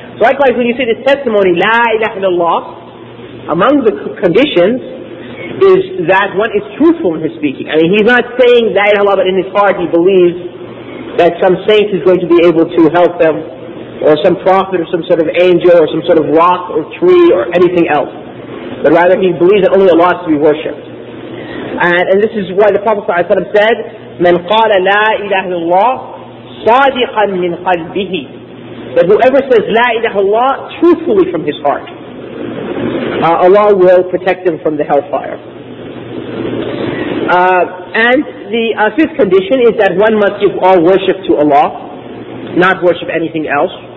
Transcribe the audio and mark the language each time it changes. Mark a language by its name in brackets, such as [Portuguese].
[English] So likewise, when you say this testimony, La ilaha illallah, among the conditions is that one is truthful in his speaking. I mean, he's not saying La ilaha illallah, but in his heart he believes that some saint is going to be able to help them, or some prophet, or some sort of angel, or some sort of rock, or tree, or anything else. But rather, he believes that only Allah is to be worshipped. And this is why the Prophet ﷺ said, [Arabic] مَنْ قَالَ لَا إِلَهَ اللَّهِ صَادِقًا مِّنْ قَلْبِهِ. [English] That whoever says لَا إِلَهَ اللَّهِ truthfully from his heart, Allah will protect him from the hellfire. And the fifth condition is that one must give all worship to Allah, not worship anything else.